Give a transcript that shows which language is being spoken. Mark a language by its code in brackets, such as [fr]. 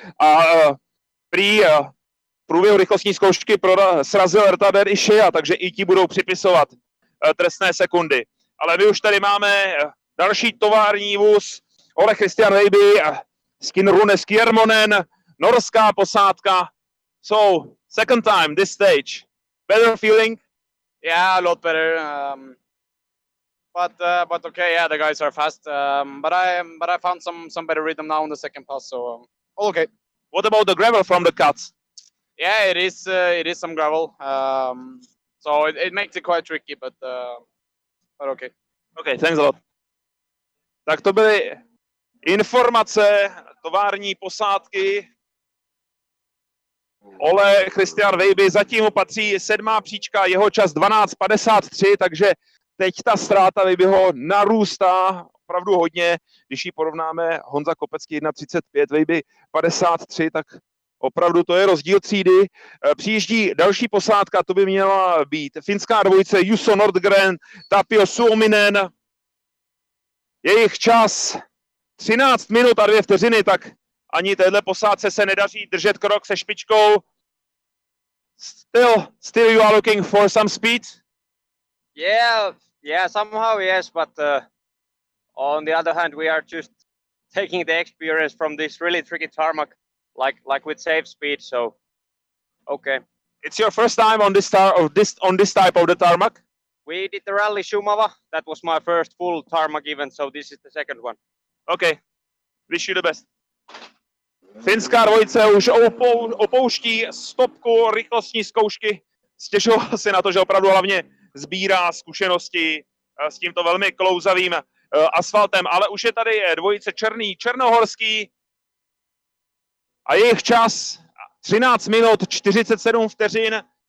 [cs] A v průběhu rychlostní zkoušky srazil retardér i Šeja, takže i ti budou připisovat trestné sekundy. Ale my už tady máme další tovární vůz, Ole Christian Reiby, Skin Runes Kiermonen, norská posádka. [en] So, second time, this stage. Better feeling? Yeah, a lot better. But okay, yeah, the guys are fast. But I found some better rhythm now on the second pass, so okay. What about the gravel from the cuts? Yeah, it is some gravel. So it makes it quite tricky, but okay. Okay, thanks a lot. [cs] Tak to byly informace tovární posádky. Ole Christian Weiby, zatím mu patří 7. příčka, jeho čas 12:53, takže teď ta ztráta Vejbyho narůstá opravdu hodně. Když ji porovnáme, Honza Kopecký 1.35, Vejby 53, tak opravdu to je rozdíl třídy. Přijíždí další posádka, to by měla být finská dvojice Juso Nordgren, Tapio Suominen. Jejich čas 13 minut a 2 vteřiny, tak ani téhle posádce se nedaří držet krok se špičkou. [en] Still you are looking for some speed? Yeah, somehow yes, but on the other hand, we are just taking the experience from this really tricky tarmac, like with safe speed, so okay. It's your first time on this type of the tarmac? We did the rally Šumava, that was my first full tarmac event, so this is the second one. Okay, wish you the best. [cs] Finská dvojice už opouští stopku rychlostní zkoušky. Stěžoval si na to, že opravdu hlavně sbírá zkušenosti s tímto velmi klouzavým asfaltem. Ale už je tady dvojice černohorský a jejich čas 13 minut 47 vteřin.